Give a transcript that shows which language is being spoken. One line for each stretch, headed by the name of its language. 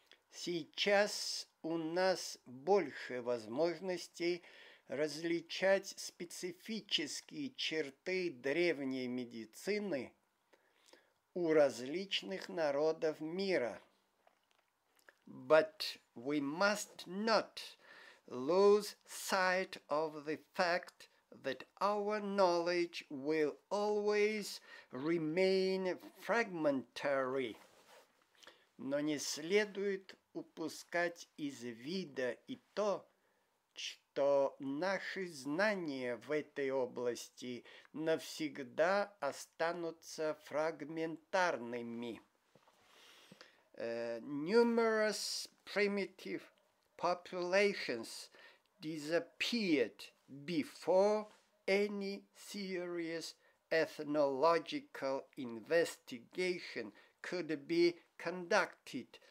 Russian: Сейчас у нас больше возможностей различать специфические черты древней медицины у различных народов мира.
English: But we must not lose sight of the fact that our knowledge will always remain fragmentary.
Russian: Но не следует упускать из вида и то, что наши знания в этой области навсегда останутся фрагментарными.
English: Numerous primitive populations disappeared before any serious ethnological investigation could be conducted,